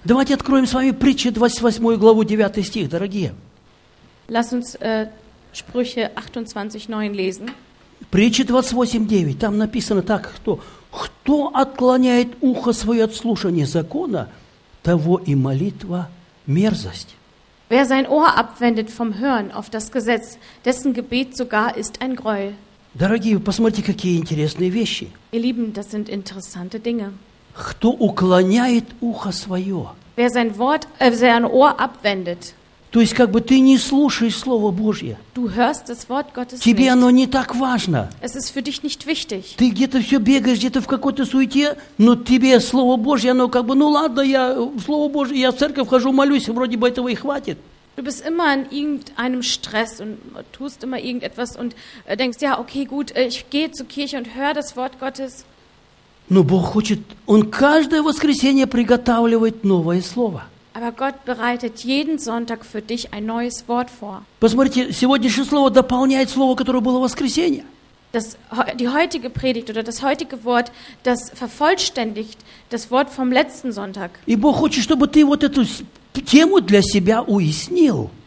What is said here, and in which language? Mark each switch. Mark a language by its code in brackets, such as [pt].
[ru] Давайте откроем с вами притчи 28 главу 9 стих, дорогие. [de] Lass uns Sprüche 28:9 lesen. [ru] Притчи 28:9. Там написано так, кто отклоняет ухо свое от слушания закона, того и молитва мерзость. [de] Wer sein Ohr abwendet vom Hören auf das Gesetz, dessen Gebet sogar ist ein Greuel. [ru] Дорогие, посмотрите, какие интересные вещи. [de] Ihr Lieben, das sind interessante Dinge. [ru] Кто уклоняет ухо свое? [de] Wer sein Wort, sein Ohr abwendet. [ru] То есть, как бы ты не слушаешь Слово Божье. [de] Du hörst das Wort Gottes nicht. [ru] Тебе оно не так важно. [de] Es ist für dich nicht wichtig. [ru] Ты где-то все бегаешь, где-то в какой-то суете, но тебе Слово Божье, оно как бы, ну ладно, я в Слово Божье, я в церковь хожу, молюсь, вроде бы этого и хватит. [de] Du bist immer in irgendeinem Stress und tust immer irgendetwas und denkst, ja, okay, gut, ich gehe zur Kirche und höre das Wort Gottes. [ru] Но Бог хочет, Он каждое воскресенье приготавливает новое Слово. [de] Aber Gott bereitet jeden Sonntag für dich ein neues Wort vor. [ru] Посмотрите, сегодняшнее слово дополняет слово, которое было в воскресенье. [de] Die heutige Predigt oder das heutige Wort, das vervollständigt das Wort vom letzten Sonntag. [ru] И Бог хочет, чтобы ты вот эту тему для себя уяснил.